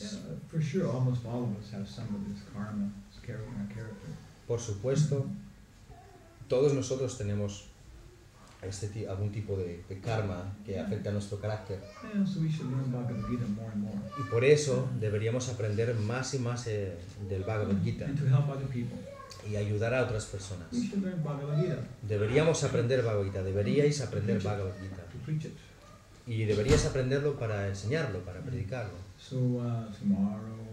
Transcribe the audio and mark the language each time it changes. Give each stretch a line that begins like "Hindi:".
English: Yeah, for sure, almost all of us have some of this karma, this character.
Spanish: Por supuesto, todos nosotros tenemos algún tipo de karma que afecta a nuestro carácter.
English: Yeah, so we should learn Bhagavad Gita more and more.
Spanish: Y por eso deberíamos aprender más y más del Bhagavad Gita.
English: And to help other people.
Spanish: Y ayudar a otras personas.
English: We should learn Bhagavad Gita.
Spanish: Deberíamos aprender Bhagavad Gita. Deberíais aprender Bhagavad Gita.
English: To preach it.
Spanish: Y deberías aprenderlo para enseñarlo, para predicarlo.
English: So, tomorrow,